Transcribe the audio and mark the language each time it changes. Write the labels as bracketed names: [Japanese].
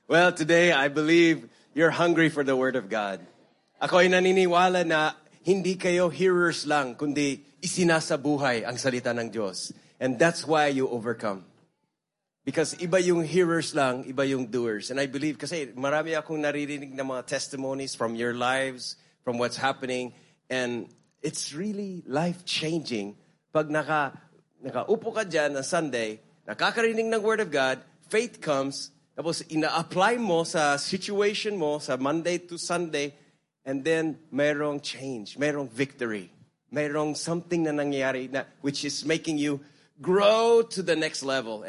[English] Well, today I believe you're hungry for the Word of God. [Filipino] Ako ay naniniwala na hindi kayo hearers lang, kundi isinasabuhay ang salita ng Diyos. [English] And that's why you overcome. Because [Filipino] iba yung hearers lang, iba yung doers. [English] And I believe, [Filipino] kasi marami akong naririnig na mga [English] testimonies from your lives, from what's happening. And it's really life-changing. [Filipino] Pag nakaupo ka dyan ng Sunday, nakakarinig ng Word of God, [English] faith comes, [Filipino] tapos ina-apply mo sa situation mo, sa Monday to Sunday, [English] and then [Filipino] mayroong change, mayroong victory, mayroong something na nangyari na, [English] which is making you grow to the next level.